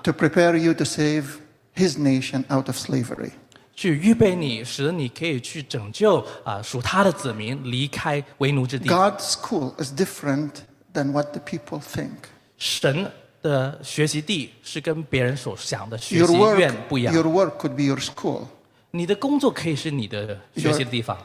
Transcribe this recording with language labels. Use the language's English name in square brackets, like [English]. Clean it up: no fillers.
[English] To prepare you to save His nation out of slavery. [Chinese] 去预备你,使你可以去拯救 属他的子民离开为奴之地。 [English] God's school is different than what the people think. [Chinese] 神 的学习地是跟别人所想的学习院不一样。 [English] Your work could be your school. [Chinese] 你的工作可以是你的学习的地方。